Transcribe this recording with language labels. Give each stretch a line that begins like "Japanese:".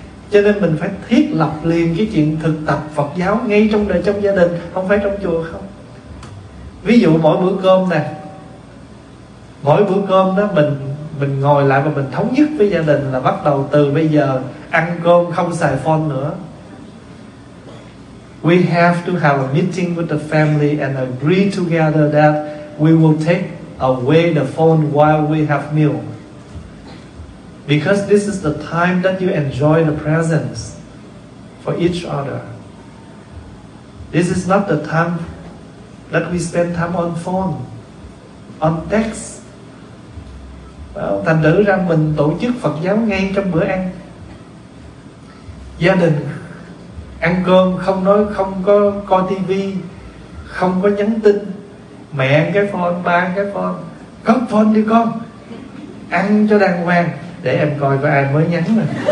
Vietnamese: Cho nên mình phải thiết lập liền cái chuyện thực tập Phật giáo ngay trong đời, trong gia đình, không phải trong chùa không. Ví dụ mỗi bữa cơm nè, mỗi bữa cơm đó mình ngồi lại và mình thống nhất với gia đình là bắt đầu từ bây giờ ăn cơm không xài phone nữa.
English: We have to have a meeting with the family and agree together that we will take away the phone while we have meal. Because this is the time that you enjoy the presence for each other. This is not the time that we spend time on phone, on text.
Vietnamese: Well, thành thử ra mình tổ chức Phật giáo ngay trong bữa ăn. Gia đình ăn cơm không nói, không có coi TV, không có nhắn tin. Mẹ ăn cái phone, ba ăn cái phone, cất phone đi con, ăn cho đàng hoàng, để em coi có ai mới nhắn nè.